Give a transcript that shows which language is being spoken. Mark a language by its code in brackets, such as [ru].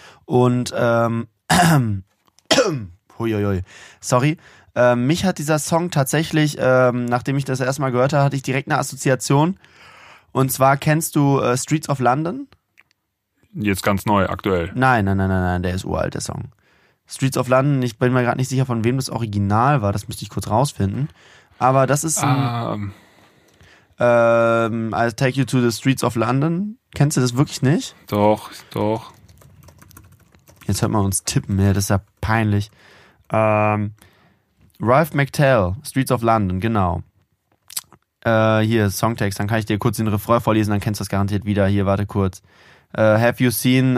[de] Und mich hat dieser Song tatsächlich, nachdem ich das erstmal gehört habe, hatte ich direkt eine Assoziation. Und zwar kennst du Streets of London? Jetzt ganz neu, aktuell. Nein, der ist uralt, der Song. Streets of London, ich bin mir gerade nicht sicher, von wem das Original war, das müsste ich kurz rausfinden. Aber das ist ein... [en] I'll Take You to the Streets of London. [de] Kennst du das wirklich nicht? Doch. Jetzt hört man uns tippen, ja, das ist ja peinlich. Ralph McTell, Streets of London, genau. Hier, Songtext, dann kann ich dir kurz den Refrain vorlesen, dann kennst du das garantiert wieder. Hier, warte kurz. [en] Have you seen,